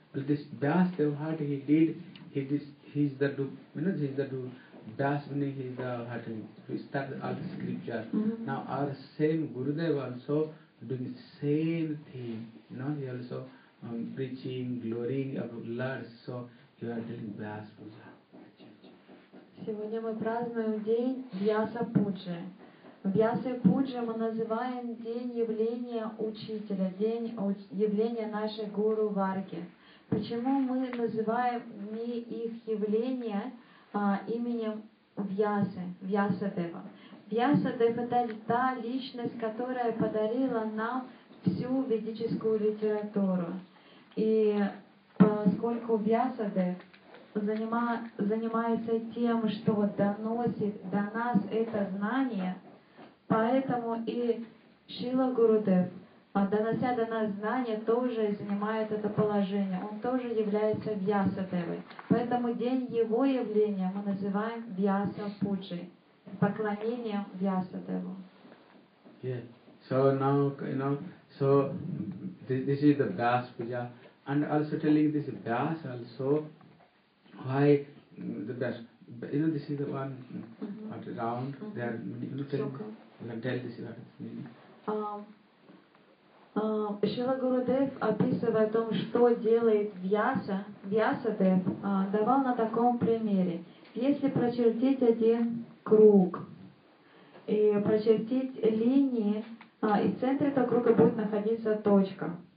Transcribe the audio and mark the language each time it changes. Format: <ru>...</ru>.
<en>Well, this Vyas Dev, what he did, he is the scripture. Mm-hmm. Now our same Gurudev also doing the same thing. You know, he also preaching, glorying about Lord. So you are telling Vyas Puja.</en> <ru>Сегодня мы празднуем день Вьяса Пуджи. Вьяса Пуджи мы называем день явления Учителя, день явления нашей Гуру Варги. Почему мы называем не их явление именем Вьясы, Вьяса Дева? Вьяса Дев – это та личность, которая подарила нам всю ведическую литературу. И поскольку Вьяса Дев занимается тем, что доносит до нас это знание, поэтому и Шрила Гурудев, донося до нас знание, тоже занимает это положение. Он тоже является Вьясадевой. Поэтому день его явления мы называем Вьяса Пуджей, поклонением Вьясадеву. Yeah.</ru> <en>So now, you know, so this is the Vyas Puja. And also telling this Vyas also, why the best? You know, this is the one what, round. Mm-hmm. There, you know, tell this is what it means.</en> <ru>Шрила Гурудев описывает о том, что делает Вьяса. Вьяса Дев давал на таком примере: если прочертить один круг и прочертить линии, и в центре этого круга будет находиться точка.</ru>